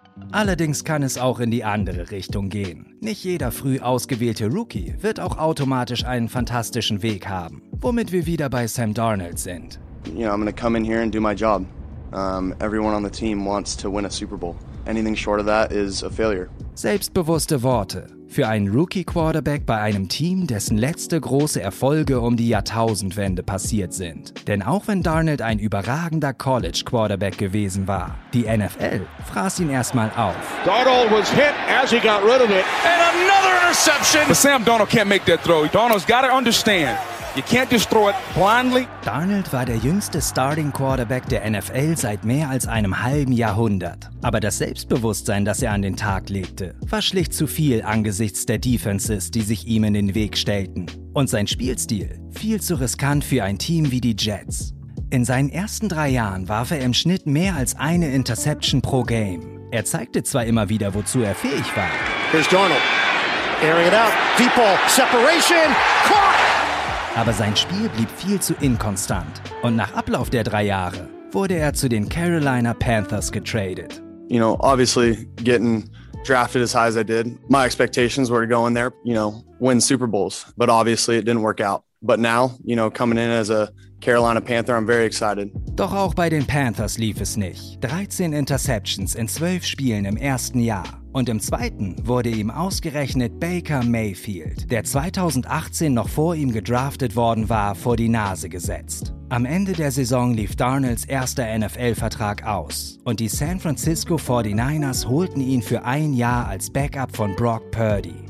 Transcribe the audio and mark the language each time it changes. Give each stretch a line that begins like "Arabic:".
German: Allerdings kann es auch in die andere Richtung gehen. Nicht jeder früh ausgewählte Rookie wird auch automatisch einen fantastischen Weg haben, womit wir wieder bei Sam Darnold sind.
English: You know, I'm gonna come in here and do my job. Everyone on the team wants to win a Super Bowl. Anything short of that is a failure.
German: Selbstbewusste Worte. Für einen Rookie-Quarterback bei einem Team, dessen letzte große Erfolge um die Jahrtausendwende passiert sind. Denn auch wenn Darnold ein überragender College-Quarterback gewesen war, die NFL fraß ihn erstmal auf.
English: Darnold was hit as he got rid of it. And another interception! But Sam Darnold can't make that throw. Darnold's gotta understand. You can't just throw it blindly.
German: Darnold war der jüngste Starting Quarterback der NFL seit mehr als einem halben Jahrhundert. Aber das Selbstbewusstsein, das er an den Tag legte, war schlicht zu viel angesichts der Defenses, die sich ihm in den Weg stellten. Und sein Spielstil viel zu riskant für ein Team wie die Jets. In seinen ersten drei Jahren warf er im Schnitt mehr als eine Interception pro Game. Er zeigte zwar immer wieder, wozu er fähig war.
English: Here's Darnold. Airing it out. Deep ball. Separation. Caught.
German: Aber sein Spiel blieb viel zu inkonstant. Und nach Ablauf der drei Jahre wurde er zu den Carolina Panthers getradet.
English: You know, obviously getting drafted as high as I did, my expectations were to go in there, you know, win Super Bowls. But obviously it didn't work out. But now, you know, coming in as a Carolina Panther, I'm very excited.
German: Doch auch bei den Panthers lief es nicht. 13 Interceptions in 12 Spielen im ersten Jahr. Und im zweiten wurde ihm ausgerechnet Baker Mayfield, der 2018 noch vor ihm gedraftet worden war, vor die Nase gesetzt. Am Ende der Saison lief Darnolds erster NFL-Vertrag aus und die San Francisco 49ers holten ihn für ein Jahr als Backup von Brock Purdy.